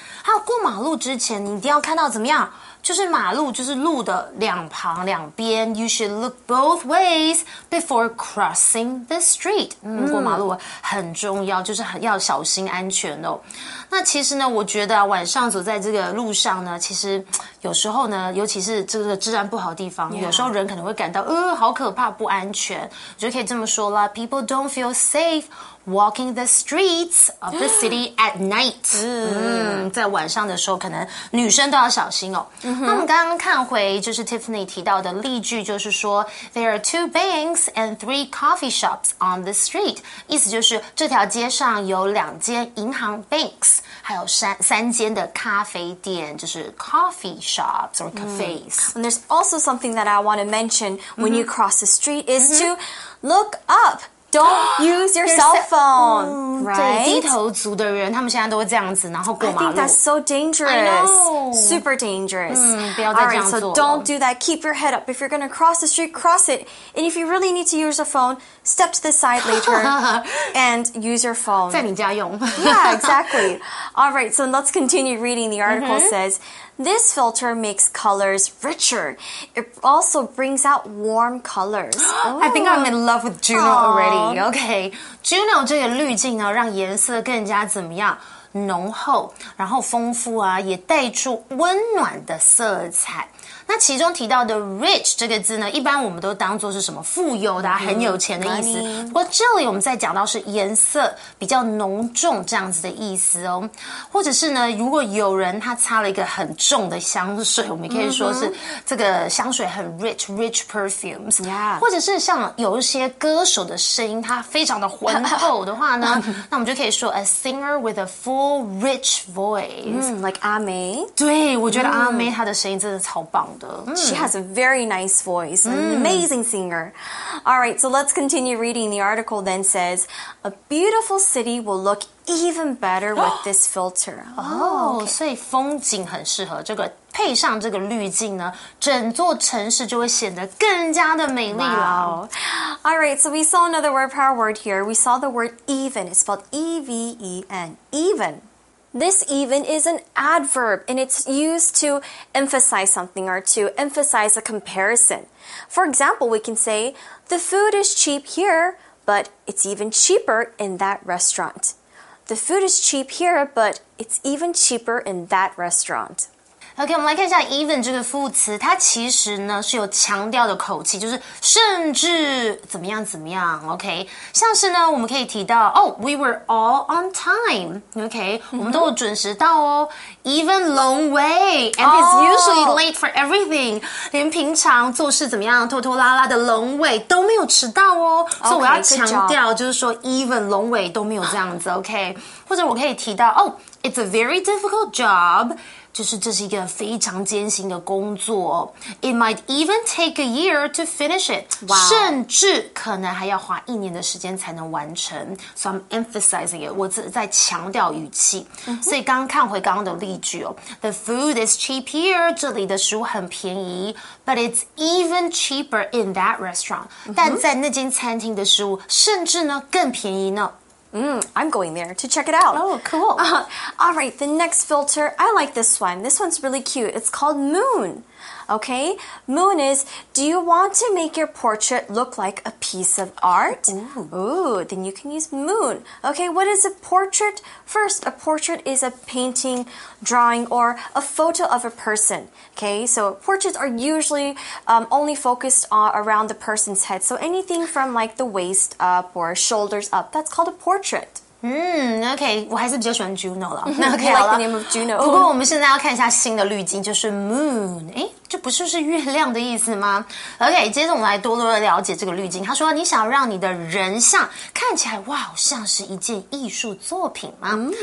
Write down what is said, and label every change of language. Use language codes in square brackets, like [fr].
[zh] 还有过马路之前，你一定要看到怎么样？就是马路，就是路的两旁两边。 [en] You should look both ways before crossing the street. [zh] 过马路很重要，就是很要小心安全哦。那其实呢，我觉得晚上走在这个路上呢，其实有时候呢，尤其是这个治安不好的地方，有时候人可能会感到好可怕，不安全。我就可以这么说啦 ， [en] People don't feel safe. Walking the streets of the city at night. [zh] 在晚上的时候可能女生都要小心哦。那我们刚刚看回就是 Tiffany 提到的例句就是说 [en] There are two banks and three coffee shops on the street. [zh] 意思就是这条街上有两间银行 banks, 还有三间的咖啡店就是 [en] coffee shops or cafes. And there's also something that I want to mention when you cross the street is to look up. Don't use your cell phone, right? [zh] 低头族的人，他们现在都会这样子，然后过马路。 [en] I think that's so dangerous. Super dangerous. [zh] 不要再这样做了。 [en] So don't do that. Keep your head up. If you're going to cross the street, cross it. And if you really need to use a phone, step to the side later and use your phone. [zh] 在你家用。 [en] Yeah, exactly. All right, so let's continue reading. The article says... This filter makes colors richer. It also brings out warm colors. I think I'm in love with Juno already. [zh] Okay. Juno 这个滤镜呢，让颜色更加怎么样？浓厚，然后丰富啊，也带出温暖的色彩。那其中提到的 rich 这个字呢，一般我们都当作是什么富有的、很有钱的意思。不过这里我们在讲到是颜色比较浓重这样子的意思哦。或者是呢，如果有人他擦了一个很重的香水，我们可以说是这个香水很 rich, [en] rich perfumes。 [zh] 或者是像有一些歌手的声音，他非常的浑厚的话呢，那我们就可以说 [en] a singer with a full rich voice。 [zh] Like 阿妹。对，我觉得阿妹她的声音真的超棒。 [en] She has a very nice voice, an amazing singer. All right, so let's continue reading. The article then says, a beautiful city will look even better with this filter. [zh] So 风景很适合这个配上这个滤镜呢，整座城市就会显得更加的美丽了。 [en] Wow. All right, so we saw another word, power word here. We saw the word even. It's spelled E-V-E-N, even. This even is an adverb, and it's used to emphasize something or to emphasize a comparison. For example, we can say, the food is cheap here, but it's even cheaper in that restaurant. The food is cheap here, but it's even cheaper in that restaurant. [zh] OK, 我们来看一下 even 这个副词，它其实呢是有强调的口气，就是甚至怎么样怎么样。 [en] OK, [zh] 像是呢我们可以提到 [en] Oh, we were all on time. OK,、mm-hmm. [zh] 我们都有准时到哦。 [en] Even long way, and it's usually late for everything. [zh] 连平常做事怎么样拖拖拉拉的 long way 都没有迟到哦。所以我要强调就是说 even long way 都没有这样子。 [en] OK, [zh] 或者我可以提到 [en] Oh, it's a very difficult job. [zh] 就是这是一个非常艰辛的工作。 [en] It might even take a year to finish it. Wow. [zh] 甚至可能还要花一年的时间才能完成。 [en] So I'm emphasizing it. [zh] 我在强调语气。 [en] Mm-hmm. [zh] 所以刚刚看回刚刚的例句哦。 [en] The food is cheap here. [zh] 这里的食物很便宜。 [en] But it's even cheaper in that restaurant.、Mm-hmm. [zh] 但在那间餐厅的食物甚至呢更便宜呢。 [en] I'm going there to check it out. Oh, cool. All right, the next filter, I like this one. This one's really cute. It's called moon. Okay, moon is, do you want to make your portrait look like a piece of art? Ooh, then you can use moon. Okay, what is a portrait? First, a portrait is a painting, drawing, or a photo of a person. Okay, so portraits are usually, only focused on, around the person's head. So anything from like the waist up or shoulders up, that's called a portrait. [zh] OK, 我还是比较喜欢 Juno 了。 [en] OK, like the name of Juno. [zh] 不过我们现在要看一下新的滤镜，就是 Moon。诶，这不是月亮的意思吗？ OK, 接着我们来多多的了解这个滤镜。他说你想让你的人像看起来哇像是一件艺术作品吗？